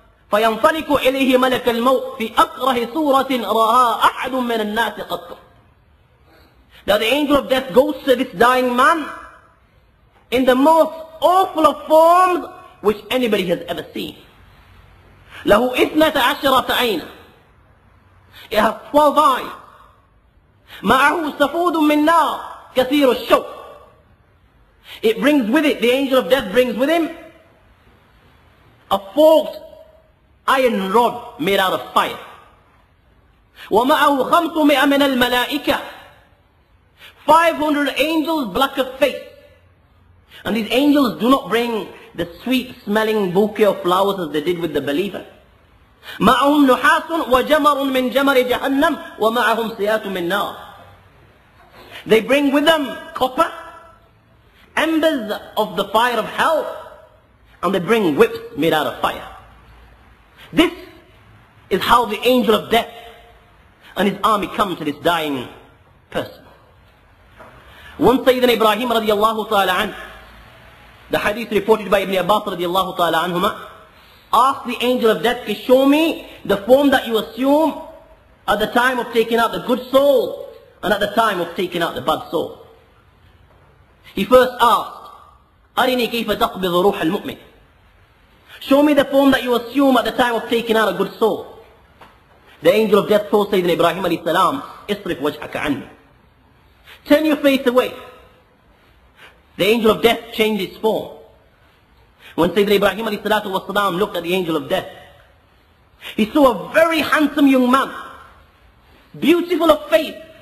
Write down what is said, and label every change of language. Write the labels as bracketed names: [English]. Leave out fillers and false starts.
[Arabic] فينطلق إليه ملك الموت في أكره صورة رآها أحد من الناس قط. [English] Now the angel of death goes to this dying man in the most awful of forms which anybody has ever seen. [Arabic] له إثنة عشرة عين. [English] It has 12 eyes. [Arabic] معه سفود من نار كثير الشوك. [English] It brings with it, the angel of death brings with him a forked iron rod made out of fire. [Arabic] ومعه خمسمائة من الملائكة. [English] 500 angels black of face. And these angels do not bring the sweet smelling bouquet of flowers as they did with the believer. [Arabic] معهم نحاس وجمر من جمر جهنم ومعهم سيات من نار. [English] They bring with them copper, embers of the fire of hell, and they bring whips made out of fire. This is how the angel of death and his army come to this dying person. One Sayyidina Ibrahim radiallahu ta'ala anhu, the hadith reported by Ibn Abbas radiallahu ta'ala anhuma, asked the angel of death to show me the form that you assume at the time of taking out the good soul and at the time of taking out the bad soul. He first asked, [Arabic] أَرِنِي كَيْفَ تَقْبِضُ رُوحَ الْمُؤْمِنِ. [English] Show me the form that you assume at the time of taking out a good soul. The angel of death told Sayyidina Ibrahim alayhi salam, [Arabic] اصرف وجهك عني. [English] Turn your face away. The angel of death changed his form. When Sayyidina Ibrahim alayhi salatu wa salam looked at the angel of death, he saw a very handsome young man, beautiful of face.